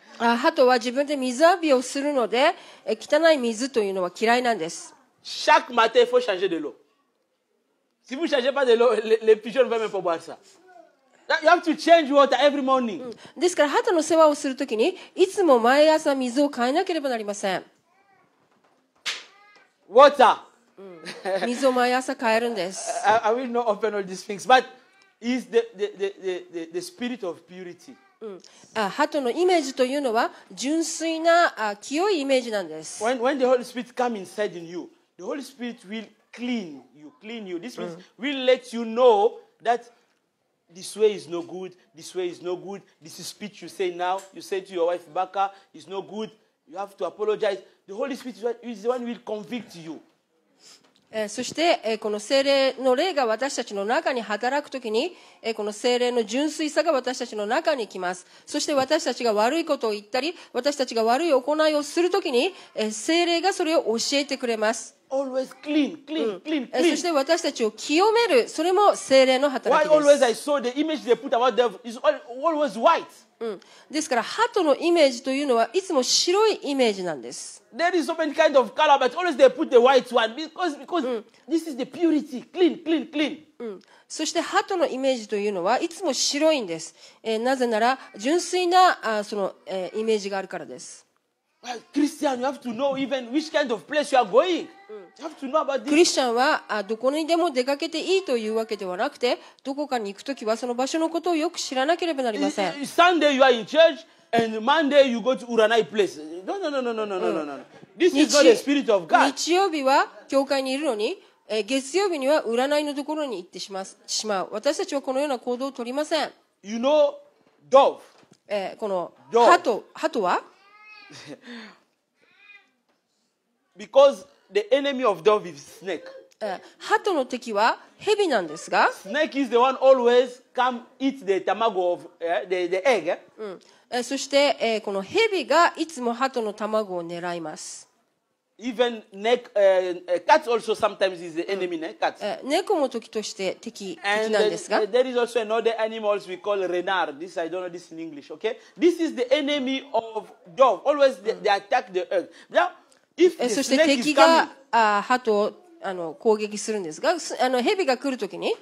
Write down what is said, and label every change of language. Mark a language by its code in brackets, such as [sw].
[ja] ハトは自分で水浴びをするので、汚い水というのは嫌いなんです。 [fr] Chaque matin, il faut changer de l'eau. Si vous changez pas de l'eau, les pigeons ne vont même pas boire ça. [en] You have to change water every morning. [ja] ですから、ハトの世話をするときに、いつも毎朝水を変えなければなりません。 [en] Water. [ja] 水を毎朝変えるんです。 [en] I will not open all these things, but is the spirit of purity. [ja] ハトのイメージというのは、純粋な清いイメージなんです。 [en] When the Holy Spirit comes inside in you, the Holy Spirit will clean you. This means will let you know that. This way is no good. This way is no good. This is speech you say now. You say to your wife, Baka, it's no good. You have to apologize. The Holy Spirit is the one who will convict you. [ja] そして、この聖霊の霊が私たちの中に働くときに、この聖霊の純粋さが私たちの中に来ます。そして私たちが悪いことを言ったり、私たちが悪い行いをするときに、聖霊がそれを教えてくれます。 [en] Always clean. [ja] そして私たちを清める、それも聖霊の働きです。 [en] Why always I saw the image they put about devil is always white. [ja] ですから、鳩のイメージというのはいつも白いイメージなんです。 [en] There is so many kinds of color, but always they put the white one because this is the purity. Clean. [ja] そして、鳩のイメージというのはいつも白いんです。なぜなら、純粋なイメージがあるからです。 [en] Christian, you have to know even which kind of place you are going. You have to know about this. [ja] クリスチャンはどこにでも出かけていいというわけではなくて、どこかに行くときはその場所のことをよく知らなければなりません。 [en] Sunday you are in church and Monday you go to Uranai place. No. This is not the spirit of God. [ja] 日曜日は教会にいるのに、月曜日には占いのところに行ってしまう。私たちはこのような行動を取りません。 [en] You know, dove. [ja] この鳩は。 [en] Because the enemy of dove is snake. [ja] ハトの敵は蛇なんですが。 [en] Snake is the one always come eat the tamago of the egg. [ja] そして、この蛇がいつもハトの卵を狙います。 [en] Even cat also sometimes is the enemy, ね、cat. [ja] 猫も時として敵なんですが。 [en] And there is also another animals we call renard. This I don't know this in English, okay? This is the enemy of dove. Always they attack the egg. Now, if the [ja] そして敵が鳩を攻撃するんですが、蛇が来るときに。